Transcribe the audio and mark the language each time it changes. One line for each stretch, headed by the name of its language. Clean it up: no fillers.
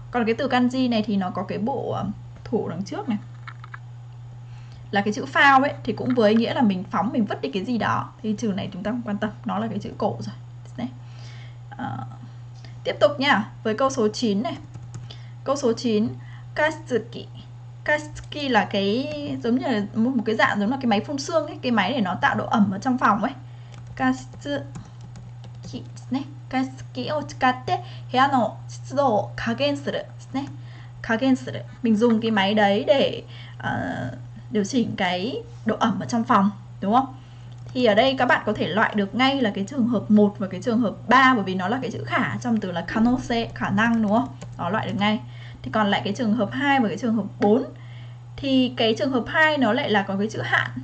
Vietnamese: Còn cái từ kanji này thì nó có cái bộ thủ đằng trước này là cái chữ phao ấy, thì cũng với nghĩa là mình phóng, mình vứt đi cái gì đó, thì chữ này chúng ta không quan tâm, nó là cái chữ cổ rồi đấy. Tiếp tục nha, với câu số 9 này. Câu số 9, Katsuki. Katsuki là cái giống như là một cái dạng giống là cái máy phun sương ấy, cái máy để nó tạo độ ẩm ở trong phòng ấy.
Japanese: Katsuki ね。 Katsuki を使って部屋の湿度を加減するですね。加減する。
Vietnamese: Mình dùng cái máy đấy để điều chỉnh cái độ ẩm ở trong phòng, đúng không? Thì ở đây các bạn có thể loại được ngay là cái trường hợp 1 và cái trường hợp 3, bởi vì nó là cái chữ khả trong từ là kanose, khả năng đúng không? Đó, loại được ngay. Thì còn lại cái trường hợp 2 và cái trường hợp 4. Thì cái trường hợp 2 nó lại là có cái chữ hạn.